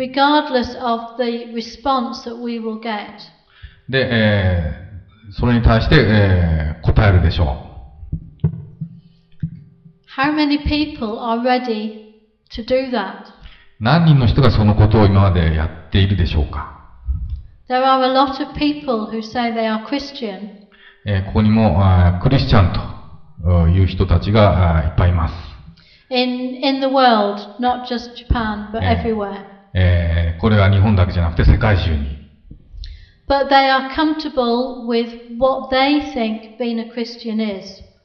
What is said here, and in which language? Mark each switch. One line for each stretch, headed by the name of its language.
English: Regardless of the response that we will get.
Japanese: で、それに対して、答えるでしょう。
English: How many people are ready to do that?
Japanese: 何人の人がそのことを今までやっているでしょうか。
English: There are a lot of people who say they are Christian.
Japanese: ここにもクリスチャンという人たちがいっぱいいます。
English: In the world, not just Japan, but everywhere.
Japanese: これは日本だけじゃなくて世界中に。
English: But they are comfortable with what they think being a Christian is.